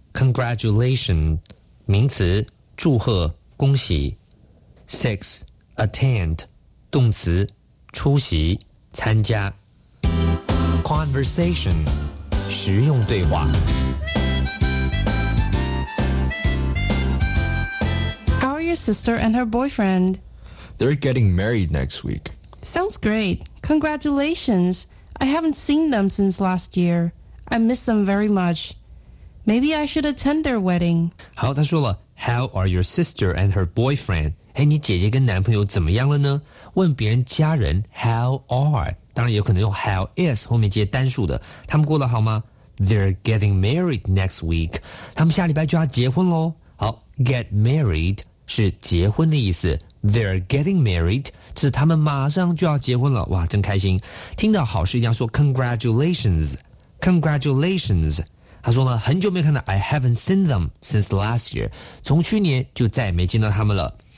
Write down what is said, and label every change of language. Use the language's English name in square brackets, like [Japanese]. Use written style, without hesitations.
[Chinese] Congratulation, 名词祝贺恭喜 6. Attend, 动词出席参加 Conversation, 实用对话 [English] your sister and her boyfriend? They're getting married next week. Sounds great. Congratulations. I haven't seen them since last year. I miss them very much. Maybe I should attend their wedding. [Chinese] 好，他说了 [English] How are your sister and her boyfriend? [Chinese] 哎，你姐姐跟男朋友怎么样了呢？问别人家人 [English] How are? [Chinese] 当然有可能用 [English] How is [Chinese] 后面接单数的。他们过得好吗？ [English] They're getting married next week. [Chinese] 他们下礼拜就要结婚咯。好， get married. 是结婚的意思 [English] They're getting married [Chinese] 是他们马上就要结婚了哇真开心听到好事一定要说 [English] Congratulations Congratulations [Chinese] 他说呢很久没看到 [English] I haven't seen them since last year [Chinese] 从去年就再也没见到他们了